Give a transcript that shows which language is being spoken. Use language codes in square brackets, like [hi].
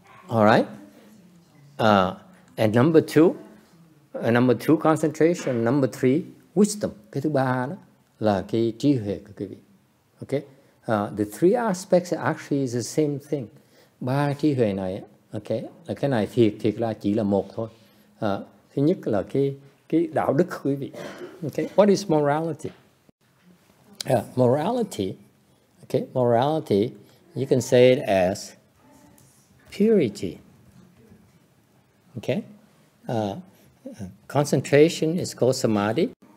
[en] Alright. And number two, concentration. Number three, wisdom. [vi] Cái thứ ba đó là cái trí huệ của quý vị. [en] Okay. The three aspects actually is the same thing. [vi] Ba trí huệ này, okay, là cái này thiệt là chỉ là một thôi. Thứ nhất là cái đạo đức quý vị. [en] Okay. What is morality? Morality, okay, morality, you can say it as purity. Okay. Concentration is called samadhi.